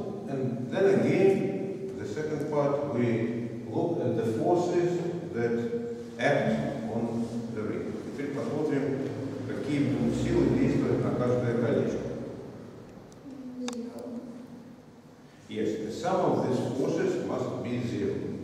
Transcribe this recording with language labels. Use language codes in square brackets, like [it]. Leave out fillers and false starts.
[en] And then again, the second part, we look at the forces that act on the ring. [ru] Теперь посмотрим, какие будут силы действовать на каждое колечко. [en] Yes, the sum of these forces must be zero.